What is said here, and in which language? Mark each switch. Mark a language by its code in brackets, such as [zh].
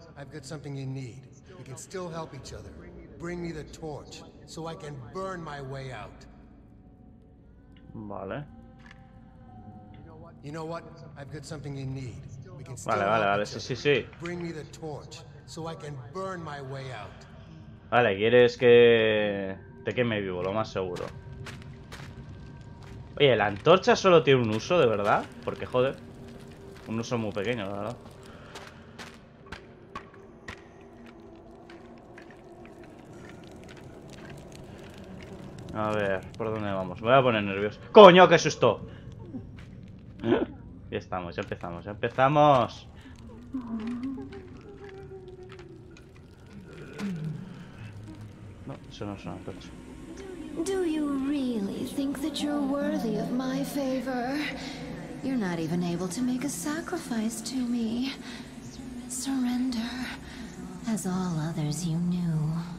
[en] I've got something you need. We can still help each other. Bring me the torch so I can burn my way out. [es] Vale. [en] You know what? I've got something you need. We can still [es] vale. Sí, sí, sí. [en] Bring me the torch so I can burn my way out. [es] Vale, quieres que te queme vivo, lo más seguro. Oye, la antorcha solo tiene un uso, de verdad. Porque, joder, un uso muy pequeño, la verdad. A ver, ¿por dónde vamos? Me voy a poner nervioso. ¡Coño, qué susto! Ya estamos, ya empezamos, ya empezamos. No, eso no es una antorcha. [en] Do you really think that you're worthy of my favor? You're not even able to make a sacrifice to me. Surrender, as all others you knew.